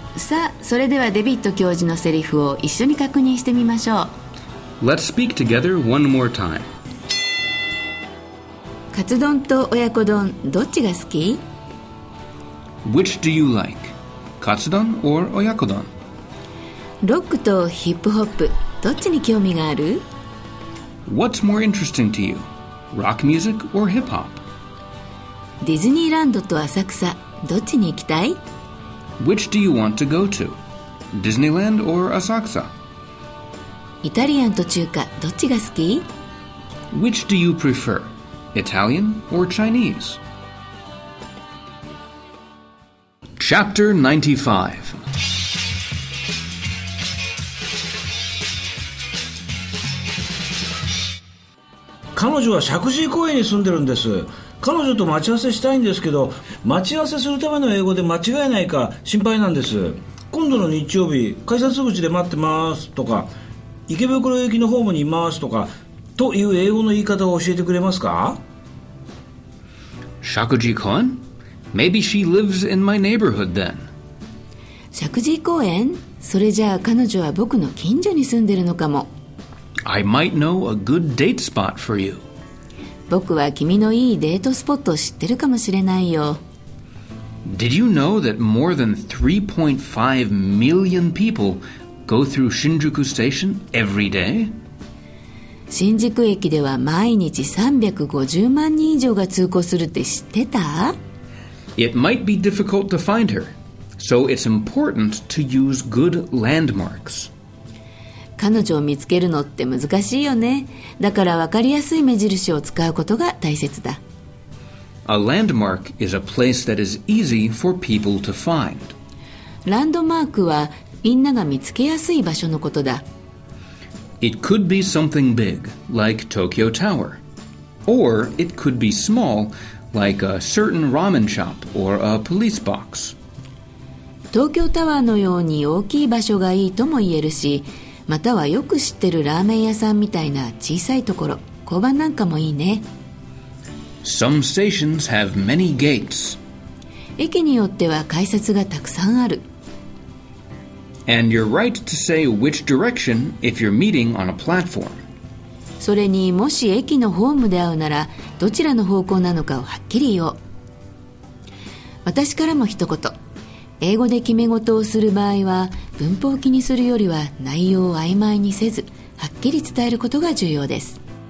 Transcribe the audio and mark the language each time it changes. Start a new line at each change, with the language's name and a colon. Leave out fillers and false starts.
Japanese: さあ、それではデビッド教授のセリフを一緒に確認してみましょう。
English: Let's speak together one more time.
Japanese: カツ丼と親子丼どっちが好き？
English: Which do you like? カツ丼 or 親子丼？
Japanese: ロックとヒップホップどっちに興味がある？
English: What's more interesting to you? Rock music or hip hop?
Japanese: ディズニーランドと浅草どっちに行きたい？
English: Which do you want to go to? Disneyland or 浅草？
Japanese: イタリアンと中華どっちが好き？
English: Which do you prefer? Italian or Chinese? Chapter 95
Japanese: 彼女は石神井公園に住んでるんです。彼女と待ち合わせしたいんですけど、待ち合わせするための英語で間違えないか心配なんです。今度の日曜日改札口で待ってますとか、池袋駅のホームにいますとか、という英語の言い方を教えてくれますか？石神井公園？
English: Maybe she lives in my neighborhood then.
Japanese: 石神井公園？それじゃあ彼女は僕の近所に住んでるのかも。
English: I might know a good date spot for you.
Japanese: 僕は君のいいデートスポットを知ってるかもしれないよ。
English: Did you know that more than 3.5 million people go through Shinjuku Station every day?
Japanese: 新宿駅では毎日350万人以上が通行するって知ってた？
English: It might be difficult to find her, so it's important to use good landmarks.
Japanese: 彼女を見つけるのって難しいよね。だから分かりやすい目印を使うことが大切だ。
English: A landmark is a place that is easy for people to find.
Japanese: ランドマークはみんなが見つけやすい場所のことだ。
English: It could be something big, like Tokyo Tower. Or it could be small, like a certain ramen shop or a police box.
Japanese: 東京タワーのように大きい場所がいいとも言えるし、またはよく知ってるラーメン屋さんみたいな小さいところ、交番なんかもいいね。
English: Some stations have many gates.
Japanese: 駅によっては改札がたくさんある。
English: And you're right to say which direction if you're meeting on a platform.
Japanese: それにもし駅のホームで会うならどちらの方向なのかをはっきり言おう。私からも一言。英語で決め事をする場合は、文法を気にするよりは内容を曖昧にせず、はっきり伝えることが重要です。